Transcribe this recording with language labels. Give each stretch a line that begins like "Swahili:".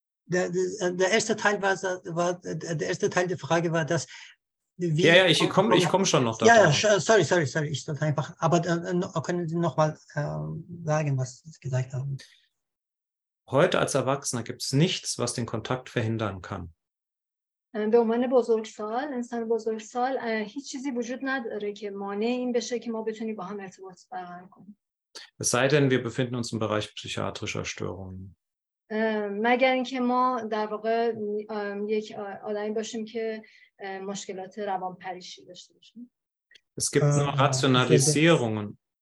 German: Der erste Teil der Frage war, dass wir... Ja, ich komme schon noch darauf. Ja, sorry, ich sollte einfach... Aber können Sie nochmal sagen, was Sie gesagt haben? Heute als Erwachsener gibt es nichts, was den Kontakt verhindern kann.
Persian: به عنوان بزرگسال، انسان بزرگسال هیچ چیزی وجود نداره که مانع این بشه که ما بتونیم با هم ارتباط برقرار کنیم.
German: Es sei denn, wir befinden uns im Bereich psychiatrischer Störungen.
Persian: مگر اینکه ما در واقع یک آدمی باشیم که مشکلات روانپریشی داشته باشیم.
German: Es gibt nur Rationalisierungen.